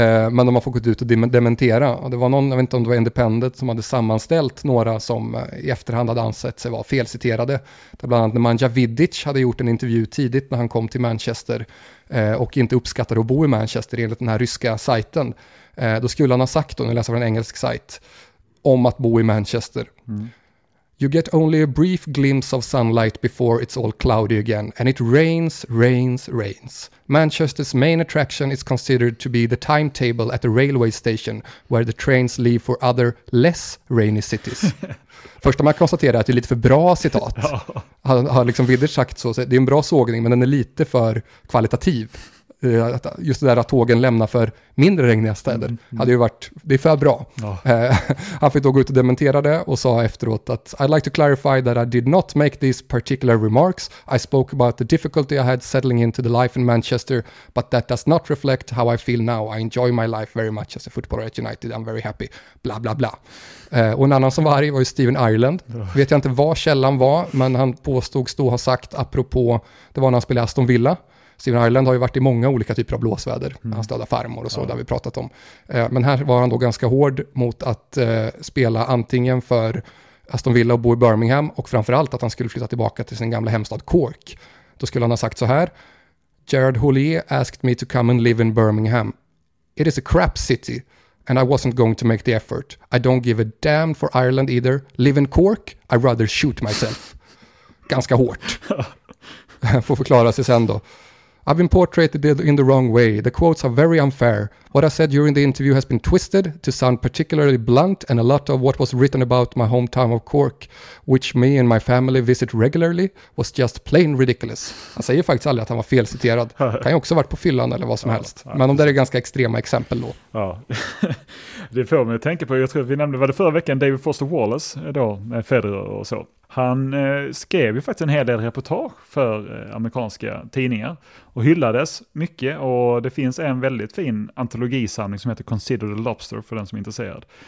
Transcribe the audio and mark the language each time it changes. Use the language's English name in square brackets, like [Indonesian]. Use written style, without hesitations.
[Swedish] Men de har fått gå ut och dementera. Och det var någon, jag vet inte om det var Independent, som hade sammanställt några som i efterhand hade ansett sig vara felciterade. Det var bland annat Nemanja Vidic hade gjort en intervju tidigt när han kom till Manchester. Och inte uppskattade att bo i Manchester enligt den här ryska sajten. Då skulle han ha sagt, och nu läser jag en engelsk sajt, om att bo i Manchester. Mm. [English] You get only a brief glimpse of sunlight before it's all cloudy again. And it rains, rains, rains. Manchester's main attraction is considered to be the timetable at the railway station where the trains leave for other less rainy cities. [Swedish] Först om jag konstaterar att det är lite för bra citat. Han har liksom vidare sagt så. Det är en bra sågning, men den är lite för kvalitativ. Just det där att tågen lämnar för mindre regniga städer hade ju varit, det är för bra. Ja. Han fick då gå ut och dementera det och sa efteråt att [English] I'd like to clarify that I did not make these particular remarks. I spoke about the difficulty I had settling into the life in Manchester, but that does not reflect how I feel now. I enjoy my life very much as a footballer at United. I'm very happy. Bla bla bla. [Swedish] Och en annan som var arg var ju Steven Ireland. Vet jag inte vad källan var, men han påstod stå ha sagt apropå, det var när han spelade Aston Villa. Steven Ireland har ju varit i många olika typer av blåsväder. Mm. Hans döda farmor och så, ja. Där vi pratat om. Men här var han då ganska hård mot att spela antingen för Aston Villa och bo i Birmingham och framförallt att han skulle flytta tillbaka till sin gamla hemstad Cork. Då skulle han ha sagt så här: [English] Gerard Houllier asked me to come and live in Birmingham. It is a crap city and I wasn't going to make the effort. I don't give a damn for Ireland either. Live in Cork? I'd rather shoot myself. [Swedish] Ganska hårt. Får förklara sig sen då. [English] I've been portrayed in the wrong way. The quotes are very unfair. What I said during the interview has been twisted to sound particularly blunt, and a lot of what was written about my hometown of Cork, which me and my family visit regularly, was just plain ridiculous. [Swedish] Han säger faktiskt aldrig att han var felciterad. Kan ju också ha varit på fyllan eller vad som helst. Men de där är ganska extrema exempel då. Ja, det får mig att tänka på. Jag tror vi nämnde, var det förra veckan, David Foster Wallace då, med Federer och så. Han skrev ju faktiskt en hel del reportage för amerikanska tidningar och hyllades mycket, och det finns en väldigt fin antologisamling som heter Consider the Lobster för den som är intresserad.